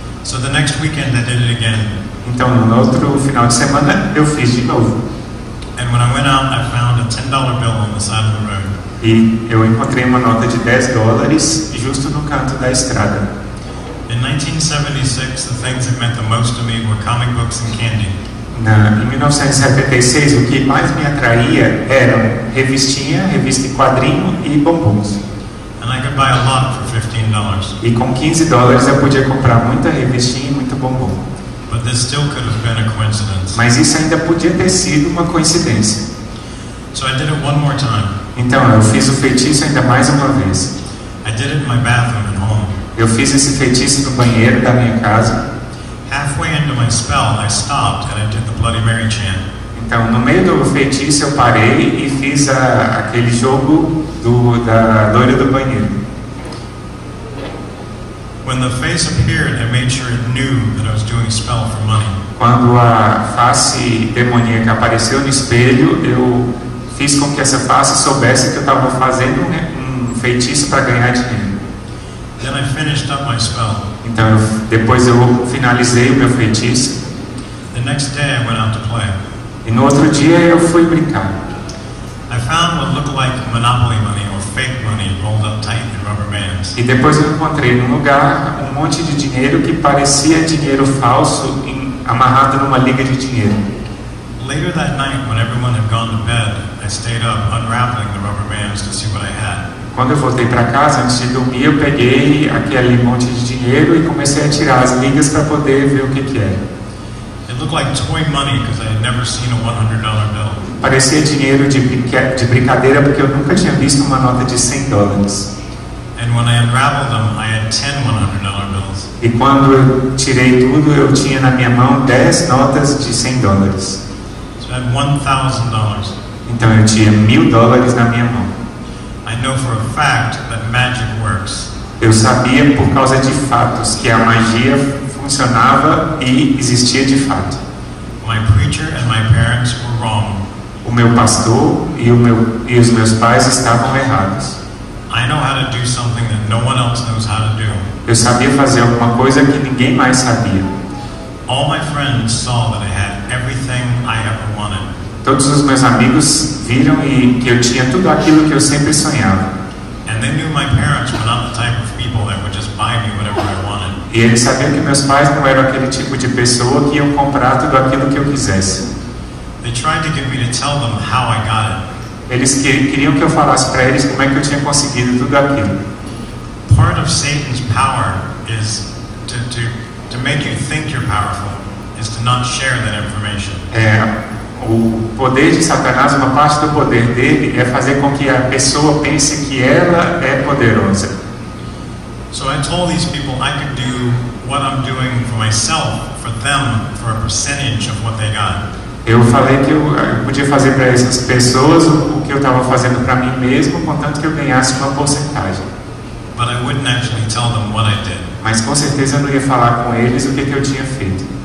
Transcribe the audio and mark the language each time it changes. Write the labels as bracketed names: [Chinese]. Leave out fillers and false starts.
[English] So the next weekend I did it again. [Portuguese] Então no outro final de semana eu fiz de novo. [English] And when I went out I found a $10 bill on the side of the road. [Portuguese] E eu encontrei uma nota de $10 justo no canto da estrada. [English] In 1976, the things that meant the most to me were comic books and candy. [Portuguese] Em 1976, o que mais me atraía eram revistinha, revista em quadrinho e bombons. [English] And I could buy a lot for $15. [Portuguese] E com $15 eu podia comprar muita revistinha e muito bombom. [English] But this still could have been a coincidence. [Portuguese] Mas isso ainda podia ter sido uma coincidência. [English] So I did it one more time. [Portuguese] Então eu fiz o feitiço ainda mais uma vez. [English] I did it in my bathroom at home. [Portuguese] Eu fiz esse feitiço no banheiro da minha casa. [English] Halfway into my spell, I stopped and I did the Bloody Mary chant. [Portuguese] Então no meio do feitiço eu parei e fiz aquele jogo da loira do banheiro. [English] When the face appeared, I made sure it knew that I was doing spell for money. [Portuguese] Quando a face demoníaca apareceu no espelho, eu fiz com que essa face soubesse que eu estava fazendo um feitiço para ganhar dinheiro. [English] Then I finished up my spell. [Portuguese] Então, depois eu finalizei o meu feitiço. [English] The next day I went out to play. [Portuguese] E no outro dia eu fui brincar. [English] I found what looked like monopoly money or fake money rolled up tight in rubber bands. [Portuguese] E depois eu encontrei num lugar um monte de dinheiro que parecia dinheiro falso amarrado numa liga de dinheiro. [English] Later that night, when everyone had gone to bed, I stayed up unraveling the rubber bands to see what I had. [Portuguese] Quando eu voltei para casa, antes de dormir, eu peguei aquele monte de dinheiro e comecei a tirar as ligas para poder ver o que era. [English] It looked like toy money because I had never seen a $100 bill. [Portuguese] Parecia dinheiro de brincadeira porque eu nunca tinha visto uma nota de $100. [English] And when I unraveled them, I had 10 $100 bills. [Portuguese] E quando eu tirei tudo, eu tinha na minha mão 10 notas de $100. [English] So I had $1,000. [Portuguese] Então eu tinha $1,000 na minha mão. [English] I know for a fact that magic works. [Portuguese] Eu sabia por causa de fatos que a magia funcionava e existia de fato. [English] My preacher and my parents were wrong. [Portuguese] O meu pastor e os meus pais estavam errados. [English] I know how to do something that no one else knows how to do. [Portuguese] Eu sabia fazer alguma coisa que ninguém mais sabia. [English] All my friends saw that I had everything I ever wanted. [Portuguese] Todos os meus amigos viram que eu tinha tudo aquilo que eu sempre sonhava. [English] And they knew my parents were not the type of people that would just buy me whatever I wanted. [Portuguese] E eles sabiam que meus pais não eram aquele tipo de pessoa que iam comprar tudo aquilo que eu quisesse. [English] They tried to get me to tell them how I got it. [Portuguese] Eles queriam que eu falasse para eles como é que eu tinha conseguido tudo aquilo. [English] Part of Satan's power is to make you think you're powerful, is to not share that information. [Portuguese] É, o poder de Satanás, uma parte do poder dele é fazer com que a pessoa pense que ela é poderosa. [English] So I told these people I could do what I'm doing for myself, for them, for a percentage of what they got. [Portuguese] Eu falei que eu podia fazer para essas pessoas o que eu estava fazendo para mim mesmo, contanto que eu ganhasse uma porcentagem. [English] But I wouldn't actually tell them what I did. [Portuguese] Mas com certeza eu não ia falar com eles o que eu tinha feito.